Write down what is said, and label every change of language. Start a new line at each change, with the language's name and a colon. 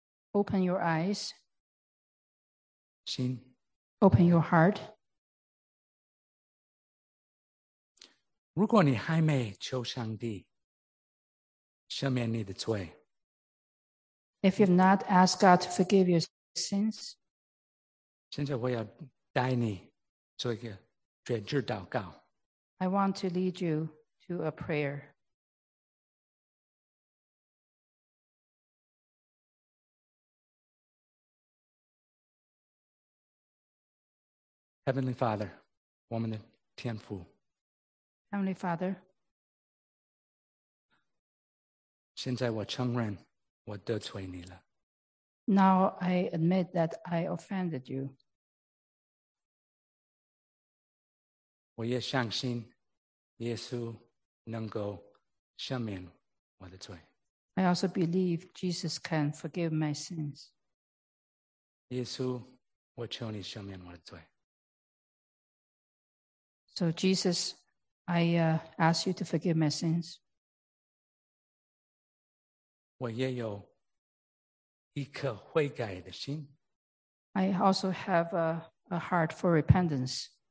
English: Open your eyes.
Chinese: 心。
English: Open your heart.
Chinese: 如果你还没求上帝赦免你的罪，
English: If you have not asked God to forgive your sins,
Chinese: 现在我要带你。做一个决志祷告。
English: I want to lead you to a prayer.
Chinese: 我们的天父。
English: Heavenly Father,
Chinese: 现在我承认我得罪你了。
English: Now I admit that I offended you.
Chinese: 我也相信耶稣能够赦免我的罪。
English: I also believe Jesus can forgive my sins.
Chinese: 耶稣，我求你赦免我的罪。
English: So Jesus, I ask you to forgive my sins.
Chinese: 我也有一颗悔改的心。
English: I also have a heart for repentance.